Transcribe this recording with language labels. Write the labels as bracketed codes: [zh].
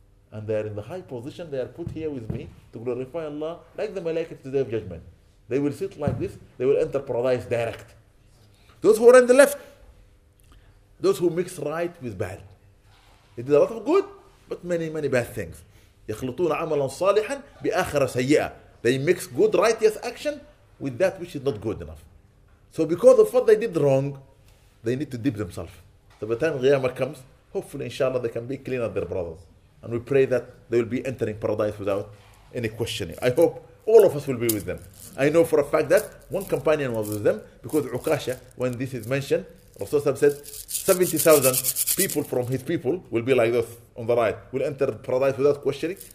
[en] And they are in the high position. They are put here with me to glorify Allah like the malaika to the day of judgment. They will sit like this. They will enter paradise direct. Those who are on the left. Those who mix right with bad. They did a lot of good, but many, many bad things. [ar] يَخْلُطُونَ عَمَلًا صَالِحًا بِآخَرَ سَيِّئًا. [en] They mix good, righteous action with that which is not good enough. So because of what they did wrong, they need to dip themselves. So by the time Qiyamah comes, hopefully, inshallah, they can be clean as their brothers. And we pray that they will be entering paradise without any questioning. I hope all of us will be with them. I know for a fact that one companion was with them, because Ukasha, when this is mentioned, Rasulullah said 70,000 people from his people will be like those on the right, will enter paradise without questioning.